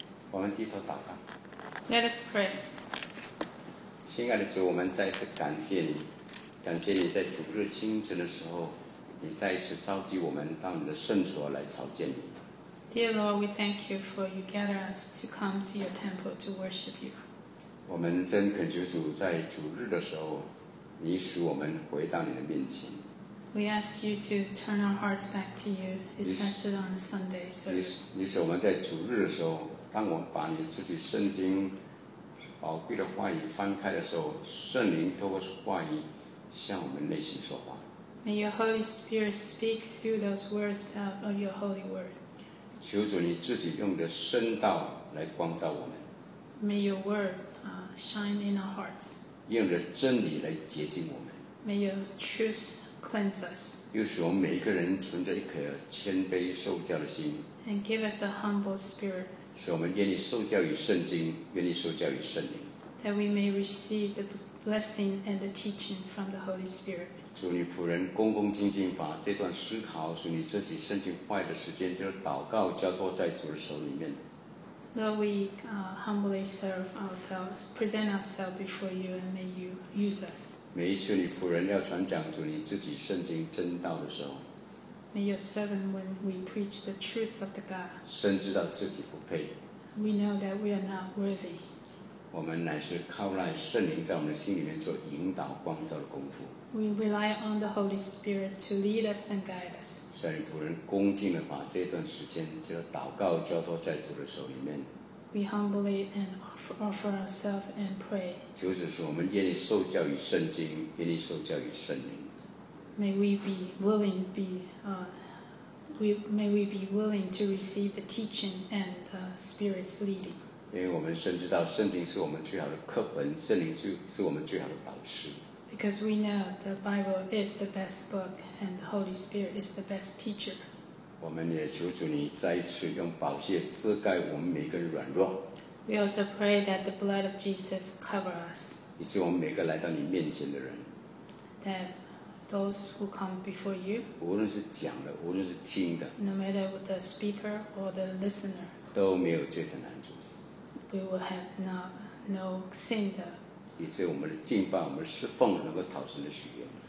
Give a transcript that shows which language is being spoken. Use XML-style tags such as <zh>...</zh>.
<zh>我们低头祷告。</zh> <en>Let us pray.</en> <zh>亲爱的主，我们再次感谢你，感谢你在主日清晨的时候，你再一次召集我们到你的圣所来朝见你。</zh> <en>Dear Lord, we thank you for you gather us to come to your temple to worship you.</en> <zh>我们真恳求主，在主日的时候，你使我们回到你的面前。</zh> <en>We ask you to turn our hearts back to you, especially on Sunday service.</en> <zh>你使我们在主日的时候，当我把你自己圣经宝贵的话语翻开的时候，圣灵透过话语向我们内心说话。</zh> <en>May your Holy Spirit speak through those words of your Holy Word.</en> <zh>求主你自己用你的圣道来光照我们。</zh> <en>May your Word shine in our hearts.</en> <zh>用你的真理来洁净我们。</zh> <en>May your truth cleanse us.</en> <zh>又使我们每一个人存着一颗谦卑受教的心。</zh> <en>And give us a humble spirit.</en> <zh>使我们愿意受教于圣经，愿意受教于圣灵。</zh> <en>That we may receive the blessing and the teaching from the Holy Spirit.</en> <zh>主你仆人恭恭敬敬把这段思考，属你自己圣经坏的时间，就是祷告交托在主的手里面。</zh> <en>Lord, we humbly serve ourselves, present ourselves before you, and may you use us.</en> <zh>每一次你仆人要传讲主你自己圣经真道的时候。</zh> <en>May your servant, when we preach the truth of the God,</en> <zh>深知道自己不配。</zh> <en>We know that we are not worthy.</en> <zh>我们乃是靠赖圣灵在我们的心里面做引导光照的功夫。</zh> <en>We rely on the Holy Spirit to lead us and guide us.</en> <zh>所以仆人恭敬地把这段时间就祷告交托在主的手里面。</zh> <en>We humbly and offer ourselves and pray.</en> <zh>就是说我们愿意受教于圣经，愿意受教于圣灵。</zh> <en>May we be willing to receive the teaching and the Spirit's leading.</en> <zh>因为我们深知到圣经是我们最好的课本，圣灵是我们最好的导师。</zh> <en>Because we know the Bible is the best book and the Holy Spirit is the best teacher.</en> <zh>我们也求主你再次用宝血遮盖我们每个软弱。</zh> <en>We also pray that the blood of Jesus cover us.</en> <zh>以致我们每个来到你面前的人。</zh> <en>That those who come before you.</en> <zh>无论是讲的，无论是听的。</zh> <en>No matter the speaker or the listener.</en> <zh>都没有罪的拦阻。</zh> <en>We will have no sin there.</en> <zh>以致我们的敬拜、我们的侍奉能够讨神的喜悦。</zh>